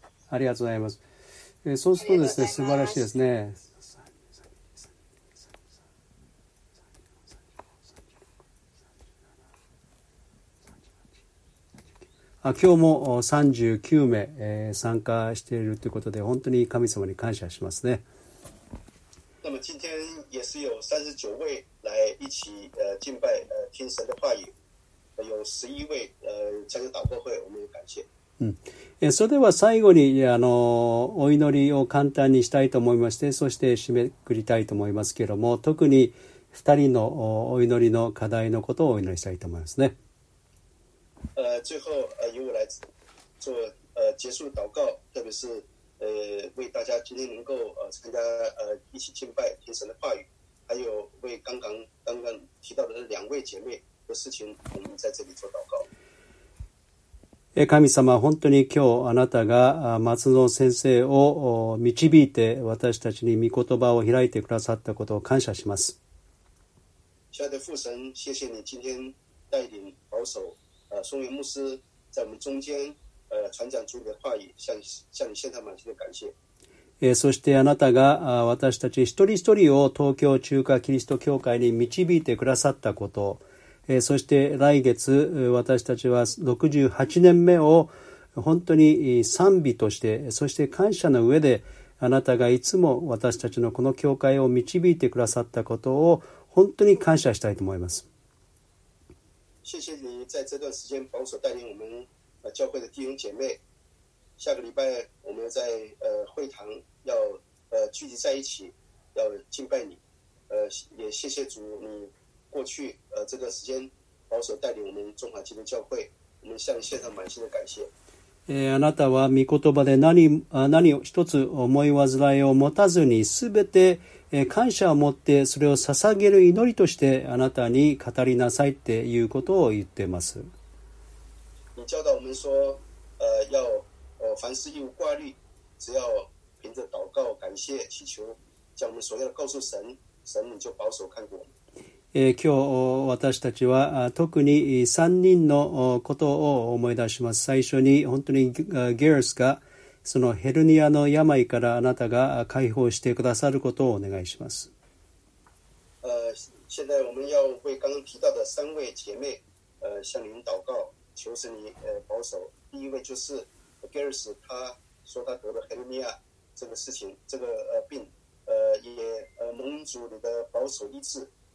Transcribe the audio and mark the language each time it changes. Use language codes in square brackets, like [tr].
[ja] ありがとうございます。そうするとですね、素晴らしいですね。今日も39名参加しているということで、本当に神様に感謝しますね。 [zh] 那么今天也是有39位来一起敬拜听神的话语，有11位参加祷告会，我们也感谢。うん。 [ja] それでは最後にお祈りを簡単にしたいと思いまして、そして締めくくりたいと思いますけれども、特に2人のお祈りの課題のことをお祈りしたいと思いますね。 [zh] 最后由我来做结束祷告，特别是为大家今天能够参加一起敬拜听神的话语。还有为刚刚提到的两位姐妹的事情，我们在这里做祷告。 [ja] 神様、本当に今日あなたが松野先生を導いて私たちに御言葉を開いてくださったことを感謝します。 [zh] 亲爱的父神、谢谢你今天带领保守松原牧师在我们中间传讲主的话语， 向你献上满心的感谢。 [ja] そしてあなたが私たち一人一人を東京中華キリスト教会に導いてくださったこと、そして来月私たちは68年目を本当に賛美として、そして感謝の上で、あなたがいつも私たちのこの教会を導いてくださったことを本当に感謝したいと思います。 [zh] 谢谢你在这段时间保守带领我们教会的弟兄姐妹，下个礼拜我们在会堂要聚集在一起要敬拜你，也谢谢主你过去这段时间保守带领我们中华基督教会，我们向你献上满心的感谢。 [ja] あなたは御言葉で何一つ思い煩いを持たずに、すべて感謝を持ってそれを捧げる祈りとしてあなたに語りなさいっていうことを言ってます。 [zh] 你教导我们说要凡事一无挂虑，只要凭着祷告感谢祈求将我们所要告诉神，神你就保守看顾我们。 [ja] 今日私たちは特に3人のことを思い出します。最初に本当にゲルスがそのヘルニアの病からあなたが解放してくださることをお願いします。 [zh] 现在我们要为刚刚提到的三位姐妹向您祷告，求神您保守。第一位就是ゲルス，他说他得了ヘルニア这个事情，这个病也蒙主你的保守医治，